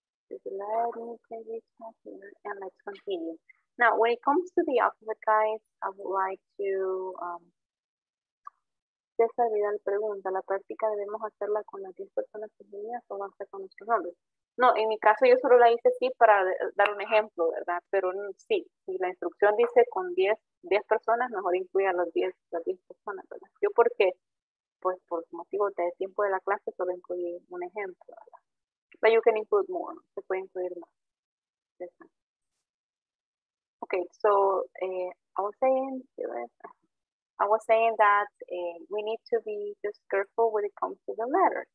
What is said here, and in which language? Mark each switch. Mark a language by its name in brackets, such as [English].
[English] Just let me say this here and let's continue. Now, when it comes to the alphabet, guys, I would like to [Spanish] desarrollar la pregunta. La práctica debemos hacerla con las 10 personas que venían o hacer con nuestros nombres. No, en mi caso yo solo la hice así para dar un ejemplo, ¿verdad? Pero sí, si la instrucción dice con 10 personas, mejor incluir a las 10 personas, ¿verdad? Yo porque pues por motivos de tiempo de la clase solo incluí un ejemplo, ¿verdad? [English] But you can include more, [Spanish] se puede incluir más. [English] Okay, so I was saying that we need to be just careful when it comes to the letters.